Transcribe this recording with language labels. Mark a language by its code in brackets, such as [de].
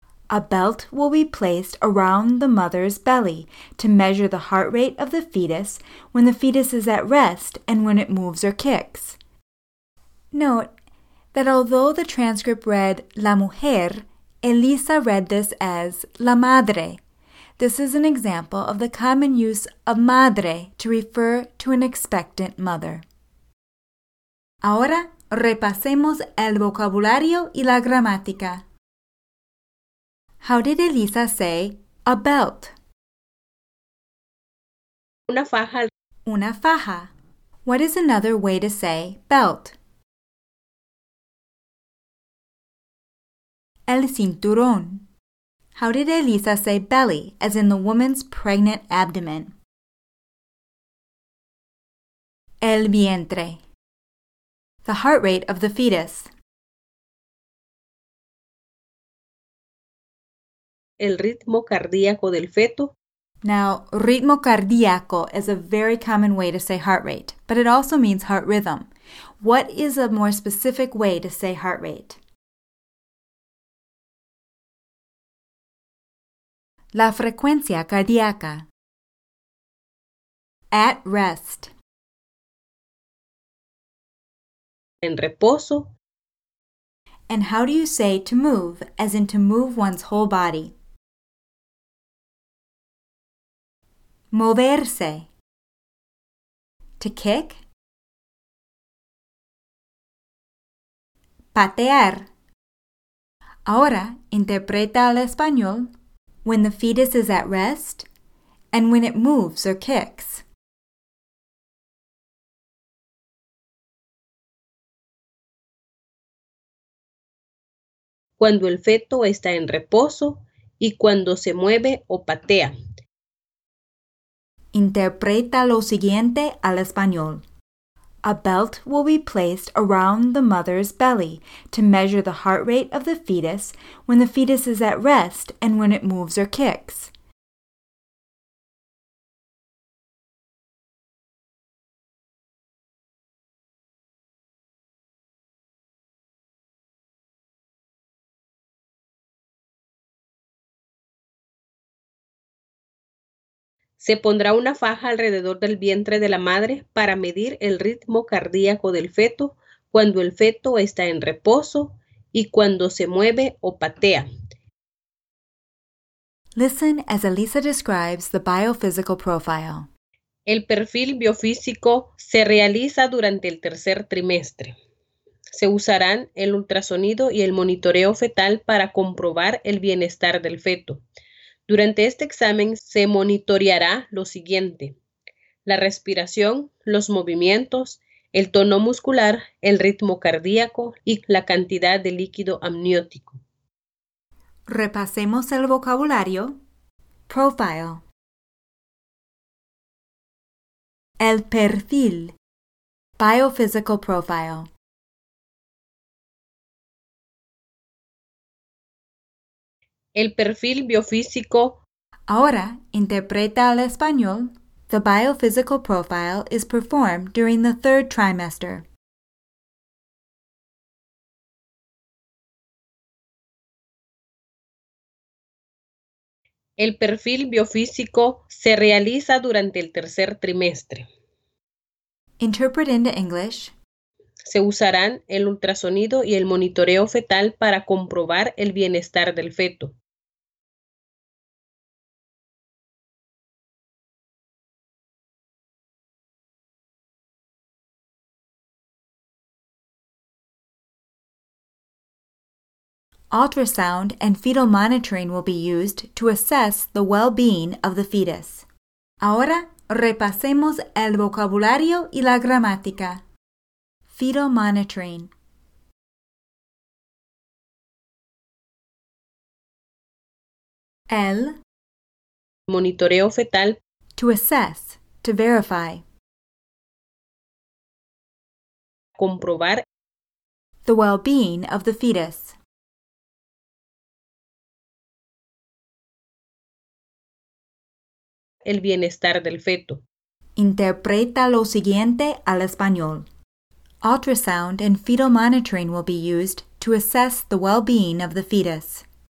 [en] A belt will be placed around the mother's belly to measure the heart rate of the fetus when the fetus is at rest and when it moves or kicks. Note that although the transcript read [es] la mujer, [en] Elisa read this as [es] la madre. [en] This is an example of the common use of madre to refer to an expectant mother. [es] Ahora repasemos el vocabulario y la gramática. [en] How did Elisa say a belt? [es] Una faja. Una faja. [en] What is another way to say belt? [es] El cinturón. [en] How did Elisa say belly, as in the woman's pregnant abdomen? [es] El vientre. [en] The heart rate of the fetus. [es] El ritmo cardíaco del feto. [en] Now, [es] ritmo cardíaco [en] is a very common way to say heart rate, but it also means heart rhythm. What is a more specific way to say heart rate? [es] La frecuencia cardíaca. [en] At rest. [es] En reposo. [en] And how do you say to move, as in to move one's whole body? [es] Moverse. [en] To kick. [es] Patear. Ahora, interpreta al español. [en] When the fetus is at rest, and when it moves or kicks. [es] Cuando el feto está en reposo y cuando se mueve o patea. Interpreta lo siguiente al español. [en] A belt will be placed around the mother's belly to measure the heart rate of the fetus when the fetus is at rest and when it moves or kicks. [es] Se pondrá una faja alrededor del vientre de la madre para medir el ritmo cardíaco del feto cuando el feto está en reposo y cuando se mueve o patea. [en] Listen as Elisa describes the biophysical profile. [es] El perfil biofísico se realiza durante el tercer trimestre. Se usarán el ultrasonido y el monitoreo fetal para comprobar el bienestar del feto. Durante este examen se monitoreará lo siguiente: la respiración, los movimientos, el tono muscular, el ritmo cardíaco y la cantidad de líquido amniótico. Repasemos el vocabulario. [en] Profile. [es] El perfil. [en] Biophysical profile. [es] El perfil biofísico. Ahora, interpreta al español. [en] The biophysical profile is performed during the third trimester. [es] El perfil biofísico se realiza durante el tercer trimestre. [en] Interpret into English. [es] Se usarán el ultrasonido y el monitoreo fetal para comprobar el bienestar del feto. [en] Ultrasound and fetal monitoring will be used to assess the well-being of the fetus. [es] Ahora, repasemos el vocabulario y la gramática. [en] Fetal monitoring. [es] El. Monitoreo fetal. [en] To assess, to verify. [es] Comprobar. [en] The well-being of the fetus. [es] El bienestar del feto. Interpreta lo siguiente al español. [en] Ultrasound and fetal monitoring will be used to assess the well-being of the fetus.